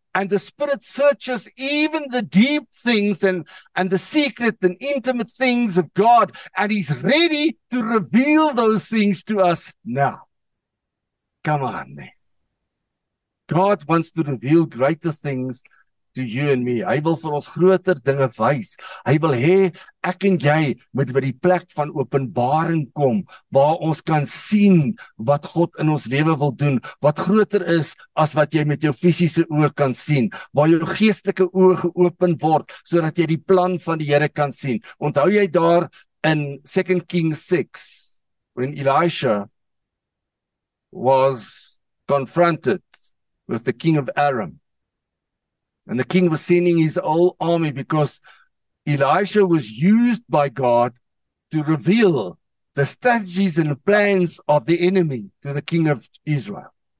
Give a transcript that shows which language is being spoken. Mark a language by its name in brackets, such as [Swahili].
[English] And the Spirit searches even the deep things and the secret and intimate things of God. And He's ready to reveal those things to us now. Come on, man. God wants to reveal greater things to you and me. [Afrikaans] Hy wil vir ons groter dinge wys. Hy wil hê ek en jy moet by die plek van openbaring kom waar ons kan sien wat God in ons lewe wil doen, wat groter is as wat jy met jou fisiese oë kan sien, waar jou geestelike oë geopen word sodat jy die plan van die Here kan sien. Onthou jy daar in 2 Kings 6 when Elisha was confronted with the king of Aram. And the king was sending his whole army because Elisha was used by God to reveal the strategies and the plans of the enemy to the king of Israel.